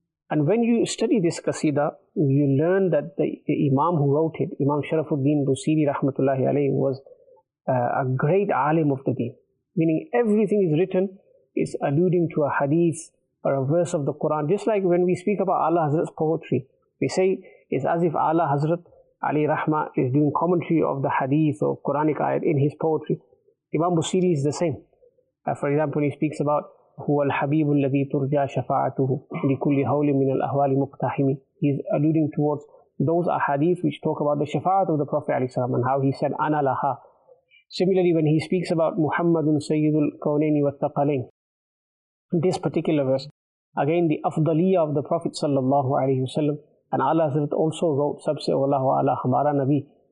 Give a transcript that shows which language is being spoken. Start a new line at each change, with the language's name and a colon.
English: And when you study this Qasida, you learn that the Imam who wrote it, Imam Sharafuddin Busiri Rahmatullahi Alayhi, was a great alim of the deen. Meaning everything is written, is alluding to a hadith or a verse of the Quran. Just like when we speak about Ala Hazrat's poetry, we say it's as if Ala Hazrat Ali Rahma is doing commentary of the hadith or Quranic ayat in his poetry. Imam Busiri is the same.
Arabic: For example, he speaks about هو الحبيب الذي ترجى شفاعته لكل هول من الأهوال مقتحمي.
English: He is alluding towards those ahadith which talk about the shafa'at of the Prophet ﷺ and how he said
Arabic: أنا لها.
English: Similarly, when he speaks about
Arabic: محمد سيد الكونين والثقلين,
English: this particular verse, again the afdaliyah of the Prophet sallallahu alayhi wa sallam, and Allah Hazrat also wrote سبسي الله على خمارا نبي.